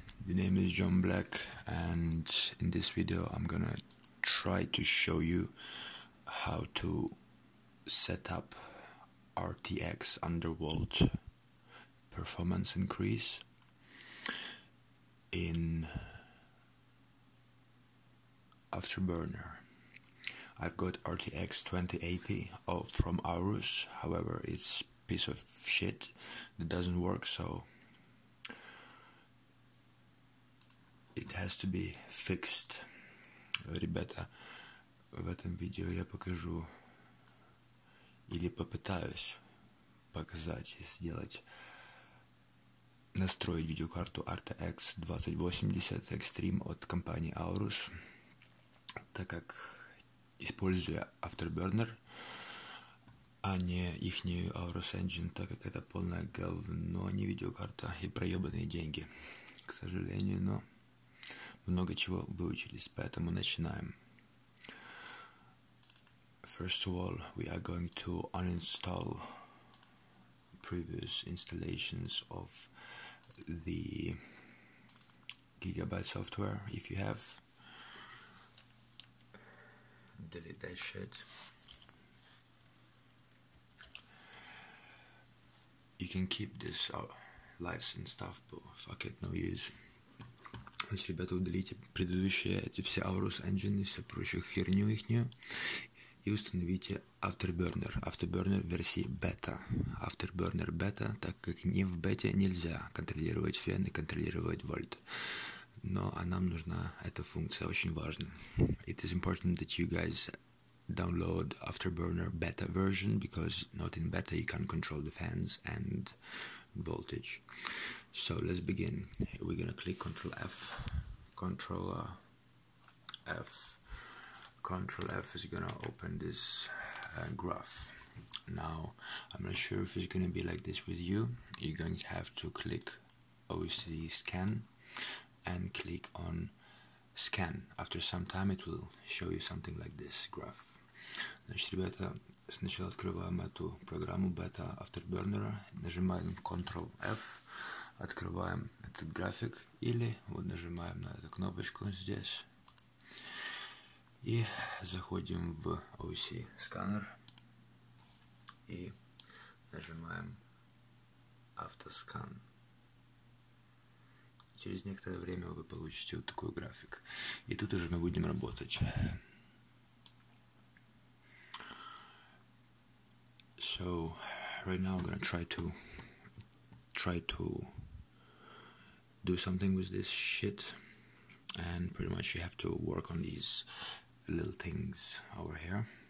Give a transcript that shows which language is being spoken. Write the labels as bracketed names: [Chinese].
[English] The name is John Black, and in this video I'm gonna try to show you how to set up RTX Undervolt performance increase in afterburner. I've got RTX 2080 from Aorus, however it's piece of shit that doesn't work, so it has to be fixed. [Russian] Ребята, в этом видео я покажу или попытаюсь показать и сделать, настроить видеокарту RTX 2080 Extreme от компании Aorus, так как используя afterburner, а не ихнюю Aorus Engine, так как это полное говно, не видеокарта и проебанные деньги, к сожалению, но много чего выучились, поэтому начинаем. [English] First of all, we are going to uninstall previous installations of the Gigabyte software, if you have. Delete that shit. You can keep this lights and stuff, but fuck it, no use. [Russian] Если, ребята, удалите предыдущие эти все Aorus Engine и все прочую херню ихнюю и установите Afterburner, Afterburner версии бета. Afterburner бета, так как ни в бете нельзя контролировать фен и контролировать вольт. Но нам нужна эта функция, очень важна. [English] It is important that you guys download Afterburner beta version, because not in beta you can control the fans and voltage. So let's begin. We're gonna click Control F. Controller F. Control F is gonna open this graph. Now, I'm not sure if it's gonna be like this with you. You're going to have to click OC scan and click on scan. After some time, it will show you something like this graph. [Russian] Значит, ребята, сначала открываем эту программу бета Afterburner, нажимаем Ctrl F, открываем этот график, или вот нажимаем на эту кнопочку здесь и заходим в OC сканер и нажимаем автоскан. Через некоторое время вы получите вот такой график. И тут уже мы будем работать. [English] So right now I'm gonna try to do something with this shit, and pretty much you have to work on these little things over here.